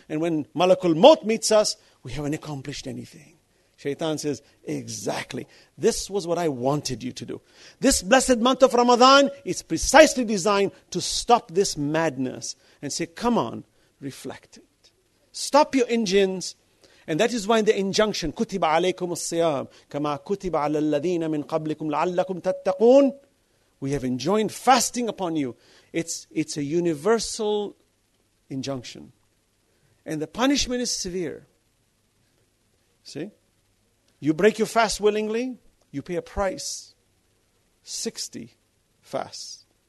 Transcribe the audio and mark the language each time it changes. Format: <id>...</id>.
<en>And when Malakul Maut meets us, we haven't accomplished anything. Shaitan says, exactly. This was what I wanted you to do. This blessed month of Ramadan is precisely designed to stop this madness and say, come on, reflect it. Stop your engines. And that is why the injunction,</en> <ar>كُتِبَ عَلَيْكُمُ الصِّيَامُ كَمَا كُتِبَ عَلَى الَّذِينَ مِنْ قَبْلِكُمْ لَعَلَّكُمْ تَتَّقُونَ.</ar> <en>We have enjoined fasting upon you. It's a universal injunction. And the punishment is severe. See? You break your fast willingly, you pay a price. 60 fasts.</en>